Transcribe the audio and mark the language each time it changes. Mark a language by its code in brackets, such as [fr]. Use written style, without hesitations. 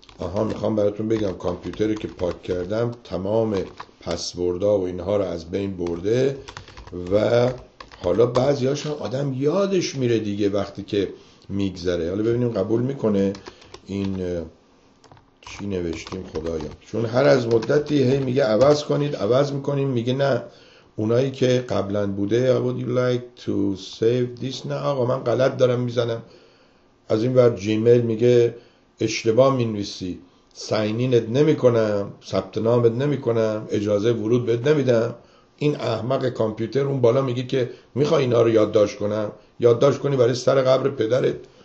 [fa] آها میخوام براتون بگم کامپیوتری که پاک کردم تمام پسوردا و اینها رو از بین برده و حالا بعضی هاشم آدم یادش میره دیگه وقتی که میگذره. حالا ببینیم قبول میکنه این چی نوشتیم خدایا، چون هر از مدتی هی میگه عوض کنید عوض میکنیم، میگه نه اونایی که قبلا بوده. [en] I would you like to save this؟ [fa] نه آقا من غلط دارم میزنم. از این ور جیمیل میگه اشتباه مینویسی، ساینینت نمی کنم، ثبت نامت نمی کنم، اجازه ورود بهت نمیدم. این احمق کامپیوتر اون بالا میگه که میخوای اینا رو یادداشت کنم، یادداشت کنی برای سر قبر پدرت.